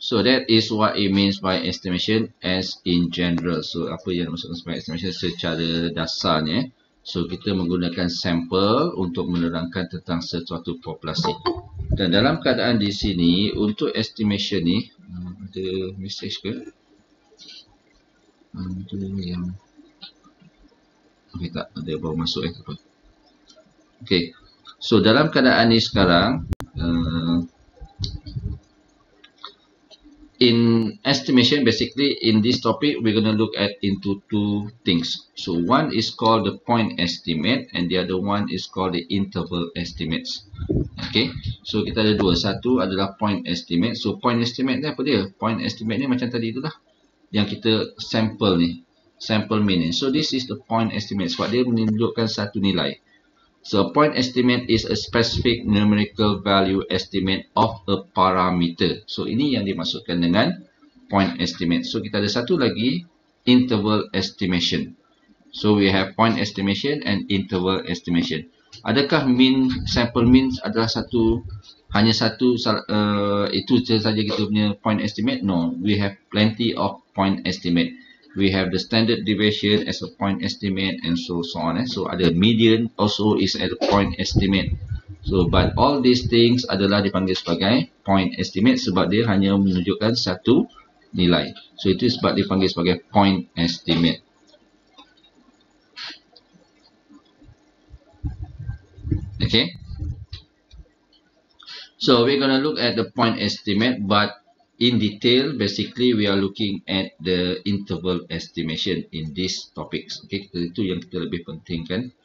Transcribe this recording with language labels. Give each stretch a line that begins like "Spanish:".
English: So, that is what it means by estimation as in general.
Malay: So, apa yang dimaksudkan sebagai estimation secara dasarnya . So, kita menggunakan sample untuk menerangkan tentang sesuatu populasi. Dan dalam keadaan di sini, untuk estimation ni, ada message ke? Itu yang tak ada baru masuk .
English: Okay,
Malay: so dalam keadaan ni sekarang,
English: in estimation, basically in this topic, we're going to look at into two things. So, one is called the point estimate and the other one is called the interval estimates.
Malay: Okay, so kita ada dua. Satu adalah point estimate. So, point estimate ni apa dia? Point estimate ni macam tadi itulah yang kita sample ni. Sample mean.
English: So, this is the point estimate.
Malay: Sebab dia menunjukkan satu nilai.
English: So, a point estimate is a specific numerical value estimate of a parameter.
Malay: So, ini yang dimaksudkan dengan point estimate. So, kita ada satu lagi, interval estimation.
English: So, we have point estimation and interval estimation.
Malay: Adakah mean, sample mean adalah satu, hanya satu, itu sahaja kita punya point estimate?
English: No, we have plenty of point estimate. We have the standard deviation as a point estimate and so on. So, ada median also is at a point estimate. So, but all these things
Malay: adalah dipanggil sebagai point estimate sebab dia hanya menunjukkan satu nilai. So, itu sebab dipanggil sebagai point estimate.
English: Okay. So, we're going to look at the point estimate but in detail, basically, we are looking at the interval estimation in this topics.
Malay: Okay, itu yang kita lebih penting kan.